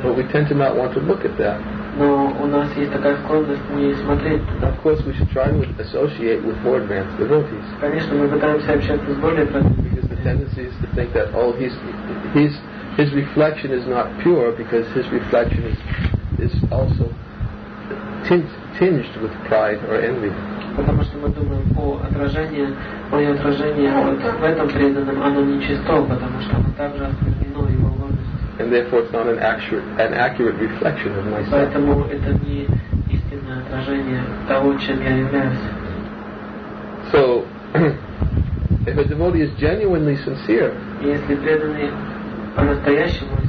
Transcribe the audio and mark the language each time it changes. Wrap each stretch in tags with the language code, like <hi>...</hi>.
<en>But we tend to not want to look at that. Of course, we should try to associate with more advanced devotees. Because the tendency is to think that his reflection is not pure, because his reflection is also tinged with pride or envy.</en> <ru>Потому что мы думаем о отражении, мое отражение в этом преданном, оно нечисто, потому что оно также осквернено его ложностью.</ru> <en>And therefore it's not an accurate reflection of myself.</en> <ru>Поэтому это не истинное отражение того, чем я являюсь.</ru> <en>So, if a devotee is genuinely sincere,</en> <ru>если преданный по-настоящему,</ru>